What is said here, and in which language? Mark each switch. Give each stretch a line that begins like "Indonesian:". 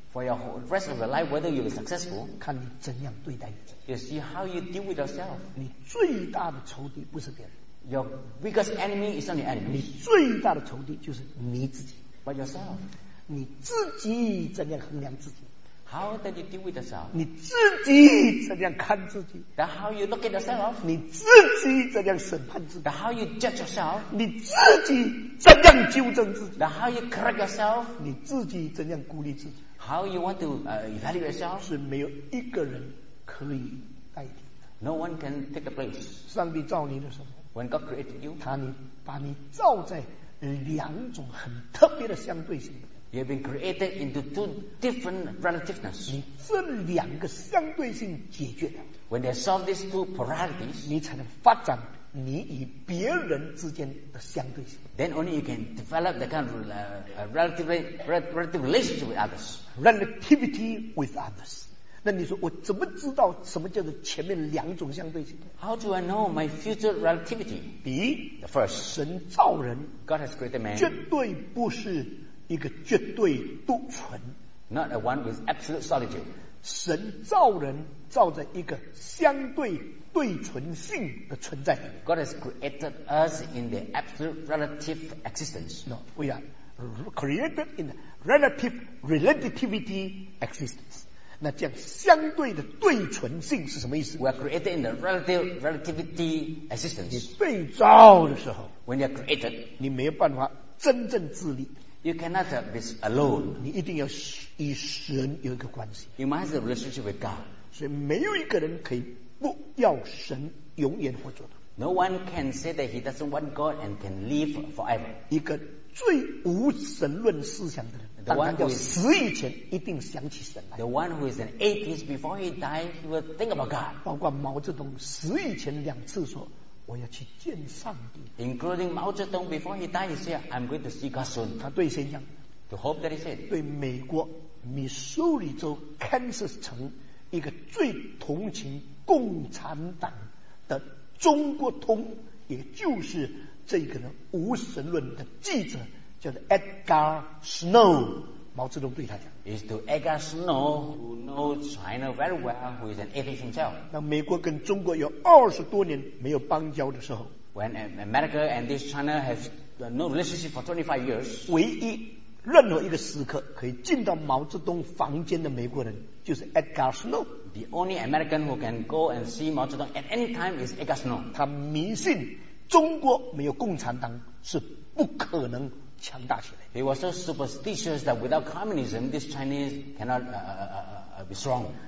English: ？For your whole rest of your life, whether you are successful，
Chinese: 看你怎样对待自己。
English: You see how you deal with yourself。
Chinese: 你最大的仇敌不是别人。
English: Your biggest enemy is not your enemy。
Chinese: 你最大的仇敌就是你自己。
English: But yourself。
Chinese: 你自己怎样衡量自己？
English: How did you deal with yourself?
Chinese: 你自己怎样看自己？
English: Then how you look at yourself?
Chinese: 你自己怎样审判自己？
English: Then how you judge yourself?
Chinese: 你自己怎样纠正自己？
English: Then how you correct yourself?
Chinese: 你自己怎样鼓励自己？
English: How you want to evaluate yourself?
Chinese: 是没有一个人可以代替的。
English: No one can take the place.
Chinese: 上帝造你的时候，
English: When God created you,
Chinese: 他把你造在两种很特别的相对性。
English: You have been created into two different relativeness.
Chinese: 你这两个相对性解决了。
English: When they solve these two polarities,
Chinese: 你才能发展你与别人之间的相对性。
English: Then only you can develop the kind of relative relationship with others. Relativity with others.
Chinese: 那你说我怎么知道什么叫做前面两种相对性？
English: How do I know my future relativity?
Chinese: 第一，
English: the first,
Chinese: 神造人，
English: God has created man,
Chinese: 绝对不是一个绝对独存，
English: not a one with absolute solitude.
Chinese: 神造人造在一个相对对存性的存在。
English: God has created us in the absolute relative existence. No, we are created in the relative relativity existence.
Chinese: 那这样相对的对存性是什么意思？
English: We are created in the relative relativity existence.
Chinese: 你被造的时候，
English: when you are created,
Chinese: 你没有办法真正自立。
English: You cannot be alone.
Chinese: 你一定要与神有一个关系。
English: You must have a relationship with God.
Chinese: 所以没有一个人可以不要神永远活着的。
English: No one can say that he doesn't want God and can live forever.
Chinese: 一个最无神论思想的人，当他要死以前一定想起神来。
English: The one who is an atheist before he dies, he will think about God.
Chinese: 包括毛泽东死以前两次说，我要去见上帝。
English: Including Mao Zedong, before he died, he said, "I'm going to see God soon."
Chinese: 他对谁讲
English: ？To hope that he said.
Chinese: 对美国密苏里州 Kansas 城一个最同情共产党的中国通，也就是这个呢无神论的记者，叫做 Edgar Snow。毛泽东对他讲
English: ，Is to Edgar Snow, who knows China very well, who is an atheist himself.
Chinese: 那美国跟中国有二十多年没有邦交的时候
English: ，When America and this China has no relationship for 25 years，
Chinese: 唯一任何一个时刻可以进到毛泽东房间的美国人就是 Edgar Snow。
English: The only American who can go and see Mao Zedong at any time is Edgar Snow。
Chinese: 他迷信中国没有共产党是不可能强大起来。
English: He was so superstitious that without communism, this Chinese cannot be strong.